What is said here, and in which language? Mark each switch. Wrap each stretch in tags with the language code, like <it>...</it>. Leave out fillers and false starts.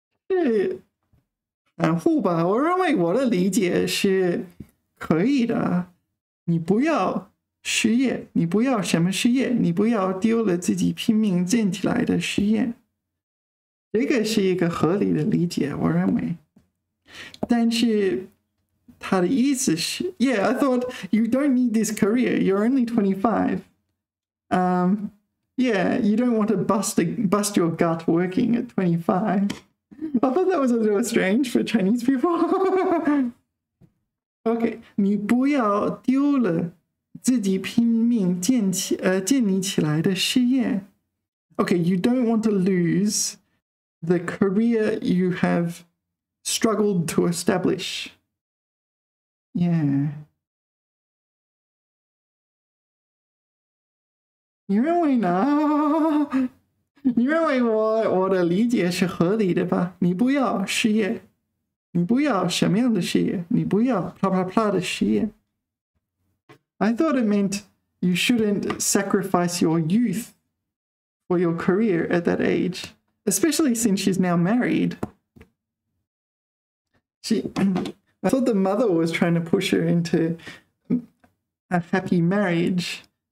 <zh>是袒护吧？我认为我的理解是可以的。你不要失业，你不要什么失业，你不要丢了自己拼命建起来的事业，这个是一个合理的理解，我认为。但是他的意思是，</zh> <en>Yeah, I thought you don't need this career. You're only 25. Yeah, you don't want to bust your gut working at 25. I thought that was a little strange for Chinese people.</en> <zh>Okay, 你不要丢了自己拼命建立起来的事业。</zh> <en>Okay, you don't want to lose the career you have struggled to establish. Yeah.</en> <zh>你认为呢？你认为我的理解是合理的吧？你不要失业，你不要什么样的失业？你不要啪啪啪的失业。</zh> <en>I thought it meant you shouldn't sacrifice your youth for your career at that age, especially since she's now married. She, I thought the mother was trying to push her into a happy marriage.</en>